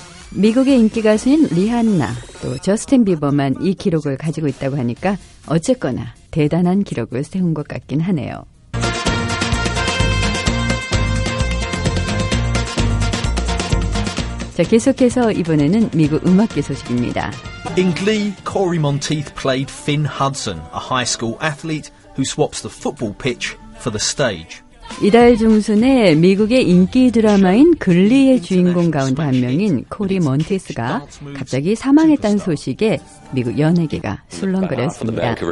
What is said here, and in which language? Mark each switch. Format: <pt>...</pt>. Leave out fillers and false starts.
<ko>미국의 인기 가수인 리한나, 또 저스틴 비버만 이 기록을 가지고 있다고 하니까 어쨌거나 대단한 기록을 세운 것 같긴 하네요. 자, 계속해서 이번에는 미국 음악계 소식입니다.</ko> <en>In Glee, Corey Monteith played Finn Hudson, a high school athlete who swaps the football pitch for the stage.</en> <ko>이달 중순에 미국의 인기 드라마인 글리의 주인공 가운데 한 명인 코리 몬티스가 갑자기 사망했다는 소식에 미국 연예계가 술렁거렸습니다.</ko>